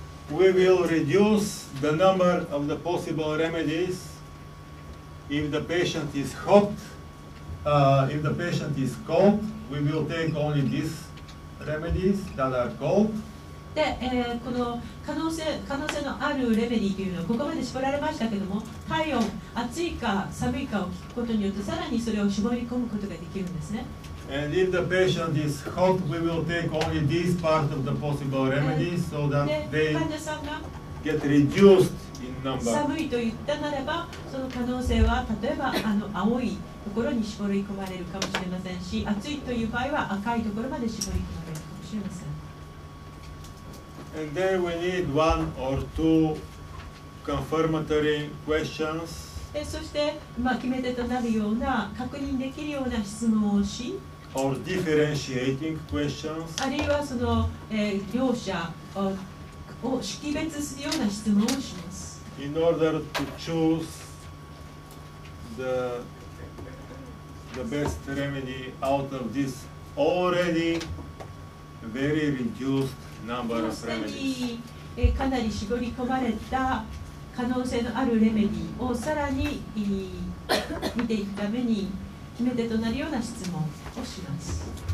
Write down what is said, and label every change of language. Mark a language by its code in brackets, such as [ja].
[en] We will reduce the number of the possible remedies if the patient is hot, if the patient is cold, we will take only thisremedies that are cold. [ja] で、この可能性のあるレメディというのはここまで絞られましたけども、体温、暑いか寒いかを聞くことによってさらにそれを絞り込むことができるんですね。 [en] And if the patient is hot, we will take only this part of the possible remedies so that they get reduced in number. [ja] 寒いと言ったならば、その可能性は例えばあの青いところに絞り込まれるかもしれませんし、暑いという場合は赤いところまで絞り込まれるかもしれません。 [en] And then we need one or two confirmatory questions. [ja] そして、まあ、決め手となるような確認できるような質問をし、 [en] or differentiating questions. [ja] あるいはその、両者を識別するような質問をします。 [en] In order to choose the best remedy out of this already very reduced number of remedies. [ja] かなり絞り込まれた可能性のあるレメディをさらに見ていくために決め手となるような質問をします。